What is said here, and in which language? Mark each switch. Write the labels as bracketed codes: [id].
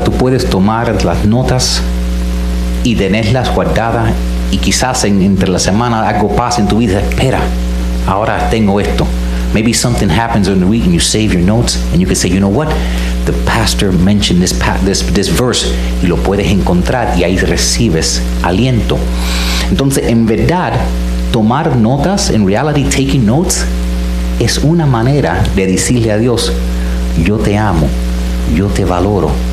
[es] Tú puedes tomar las notas y tenerlas guardadas y quizás entre la semana algo pasa en tu vida. Espera, ahora tengo esto. [en] Maybe something happens in the week and you save your notes and you can say, you know what? The pastor mentioned this verse. [es] Y lo puedes encontrar y ahí recibes aliento. Entonces, en verdad, tomar notas, [en] in reality, taking notes, [es] es una manera de decirle a Dios, yo te amo, yo te valoro.